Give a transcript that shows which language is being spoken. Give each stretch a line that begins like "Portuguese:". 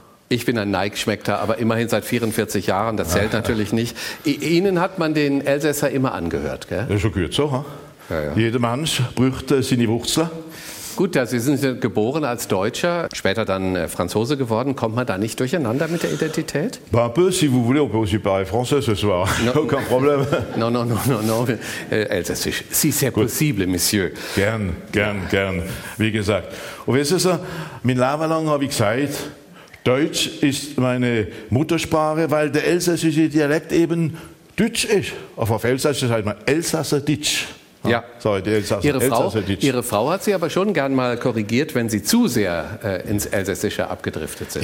German: Ich bin ein Neigschmeckter, aber immerhin seit 44 Jahren. Das zählt natürlich nicht. Ihnen hat man den Elsässer immer angehört, gell? Das ist schon gut so. Ja, ja. Jeder Mensch braucht seine Wurzeln. Gut, ja, Sie sind geboren als Deutscher, später dann Franzose geworden. Kommt man da nicht durcheinander mit der Identität?
French: Ben, peu, si vous voulez, on peut aussi parler français ce soir. Aucun problème. Non, non, non, non, non. Elsässisch. Si c'est possible, monsieur.
German: Gern. Wie gesagt. Und wissen Sie, mein Leben lang habe ich gesagt, Deutsch ist meine Muttersprache, weil der elsässische Dialekt eben Deutsch ist. Auf Elsässisch sagt man Elsasser Deutsch. Ja, Ihre Frau hat Sie aber schon gern mal korrigiert, wenn Sie zu sehr ins Elsässische abgedriftet sind.